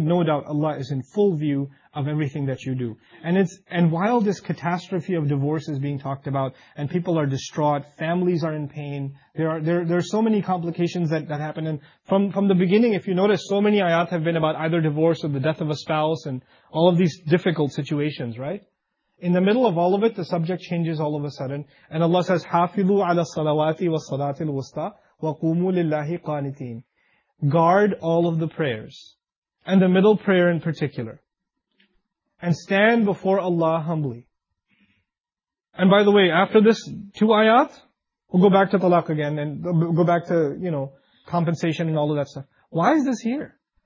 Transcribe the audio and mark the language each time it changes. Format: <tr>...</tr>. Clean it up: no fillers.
<en>No doubt Allah is in full view of everything that you do. And while this catastrophe of divorce is being talked about, and people are distraught, families are in pain, there are so many complications that happen. And from the beginning, if you notice, so many ayat have been about either divorce or the death of a spouse and all of these difficult situations, right? In the middle of all of it, the subject changes all of a sudden. And Allah says,</en> <ar>حَافِظُوا عَلَى الصَّلَوَاتِ وَالصَّلَاةِ الْوُسْطَى وَقُومُوا لِلَّهِ قَانِتِينَ.</ar> <en>Guard all of the prayers, and the middle prayer in particular, and stand before Allah humbly. And by the way, after this two ayat, we'll go back to talaq again, and go back to, you know, compensation and all of that stuff. Why is this here?</en>